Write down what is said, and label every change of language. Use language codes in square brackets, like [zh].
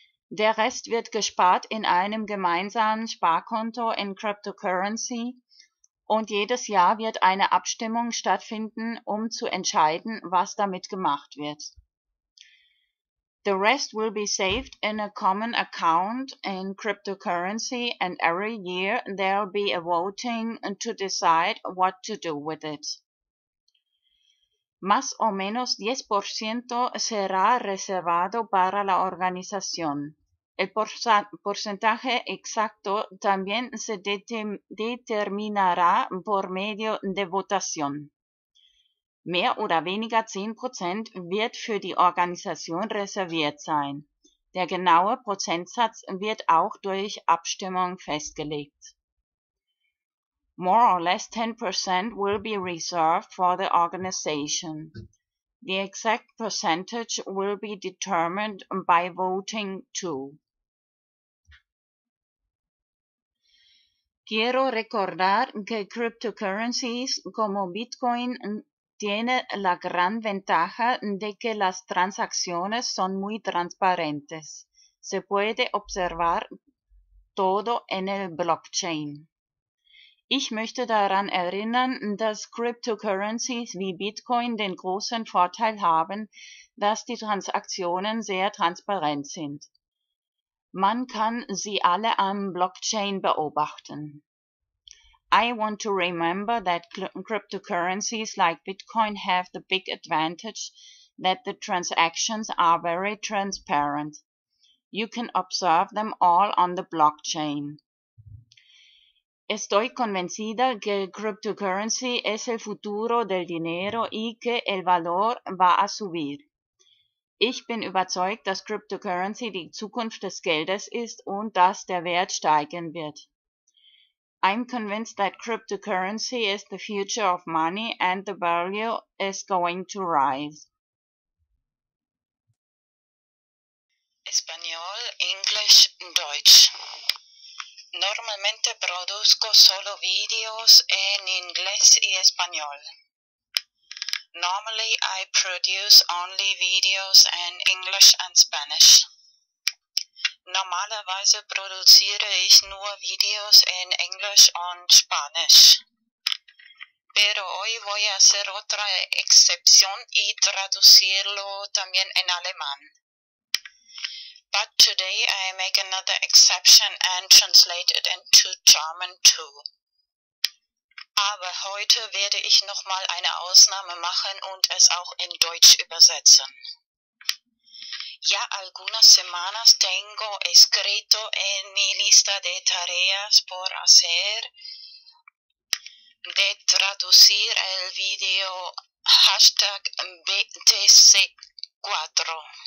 [de] Der Rest wird gespart in einem gemeinsamen Sparkonto in cryptocurrency. Und jedes Jahr wird eine Abstimmung stattfinden, um zu entscheiden, was damit gemacht wird. [en] The rest will be saved in a common account in cryptocurrency, and every year there'll be a voting to decide what to do with it. [es] Más o menos 10% será reservado para la organización. El porcentaje exacto también se determinará por medio de votación. [de] Mehr oder weniger 10% wird für die Organisation reserviert sein. Der genaue Prozentsatz wird auch durch Abstimmung festgelegt. [en] More or less 10% will be reserved for the organization. The exact percentage will be determined by voting too. [es] Quiero recordar que cryptocurrencies como Bitcoin tiene la gran ventaja de que las transacciones son muy transparentes. Se puede observar todo en el blockchain. [de] Ich möchte daran erinnern, dass Cryptocurrencies wie Bitcoin den großen Vorteil haben, dass die Transaktionen sehr transparent sind. Man kann sie alle am Blockchain beobachten. [en] I want to remember that cryptocurrencies like Bitcoin have the big advantage that the transactions are very transparent. You can observe them all on the blockchain. [es] Estoy convencida que cryptocurrency es el futuro del dinero y que el valor va a subir. [de] Ich bin überzeugt, dass Cryptocurrency die Zukunft des Geldes ist und dass der Wert steigen wird. [en] I'm convinced that cryptocurrency is the future of money and the value is going to rise. Español, English, Deutsch. [es] Normalmente produzco solo videos en inglés y español. [en] Normally I produce only videos in English and Spanish. [de] Normalerweise produziere ich nur Videos in English und Spanisch. [es] Pero hoy voy a hacer otra excepción y traducirlo también en alemán. [en] But today I make another exception and translate it into German too. [de] Aber heute werde ich nochmal eine Ausnahme machen und es auch in Deutsch übersetzen. [es] Ya algunas semanas tengo escrito en mi lista de tareas por hacer de traducir el video hashtag BTC4.